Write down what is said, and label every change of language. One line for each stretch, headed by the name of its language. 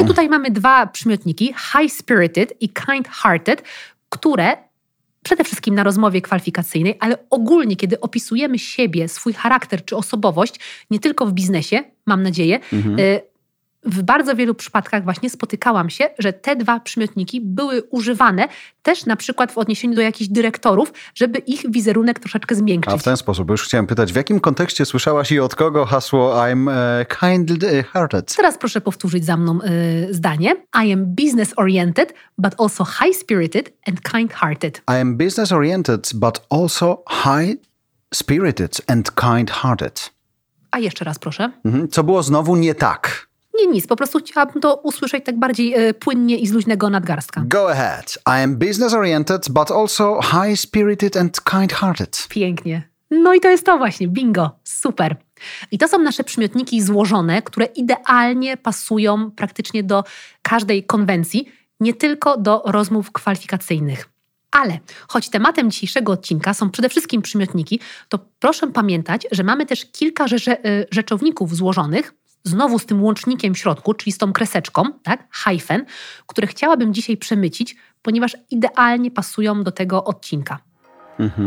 Polish: My tutaj mamy dwa przymiotniki, high-spirited i kind-hearted, które przede wszystkim na rozmowie kwalifikacyjnej, ale ogólnie, kiedy opisujemy siebie, swój charakter czy osobowość, nie tylko w biznesie, mam nadzieję, w bardzo wielu przypadkach właśnie spotykałam się, że te dwa przymiotniki były używane też na przykład w odniesieniu do jakichś dyrektorów, żeby ich wizerunek troszeczkę zmiękczyć. A w ten sposób, już chciałem pytać, w jakim kontekście słyszałaś i od kogo hasło
English: I'm kind-hearted?
Polish: Teraz proszę powtórzyć za mną zdanie.
English: I am business-oriented, but also high-spirited and kind-hearted. I am business-oriented, but also high-spirited and kind-hearted.
Polish: A jeszcze raz proszę. Co było znowu nie tak? Nie, nic. Po prostu chciałabym to usłyszeć tak bardziej płynnie i z luźnego nadgarstka.
English: Go ahead. I am business-oriented, but also high-spirited and kind-hearted.
Polish: Pięknie. No i to jest to właśnie. Bingo. Super. I to są nasze przymiotniki złożone, które idealnie pasują praktycznie do każdej konwencji, nie tylko do rozmów kwalifikacyjnych. Ale choć tematem dzisiejszego odcinka są przede wszystkim przymiotniki, to proszę pamiętać, że mamy też kilka rzeczowników złożonych, znowu z tym łącznikiem w środku, czyli z tą kreseczką, tak, hyphen, które chciałabym dzisiaj przemycić, ponieważ idealnie pasują do tego odcinka. Mm-hmm.